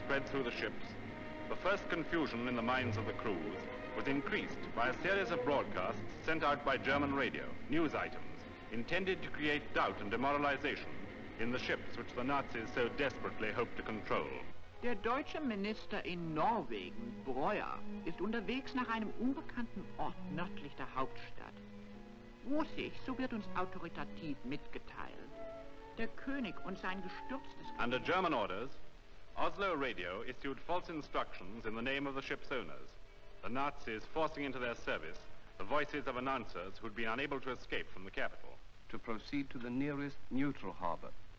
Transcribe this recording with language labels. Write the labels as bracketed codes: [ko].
[en] Through the ships, the first confusion in the minds of the crews was increased by a series of broadcasts sent out by German radio, news items, intended to create doubt and demoralization in the ships which the Nazis so desperately hoped to control. [de] Der deutsche Minister in Norwegen, Breuer, ist unterwegs nach einem unbekannten Ort nördlich der Hauptstadt. Russisch, so wird uns autoritativ mitgeteilt. der König und sein gestürztes... [en] Under German orders, Oslo Radio issued false instructions in the name of the ship's owners, the Nazis forcing into their service the voices of announcers who'd been unable to escape from the capital. To proceed to the nearest neutral harbor.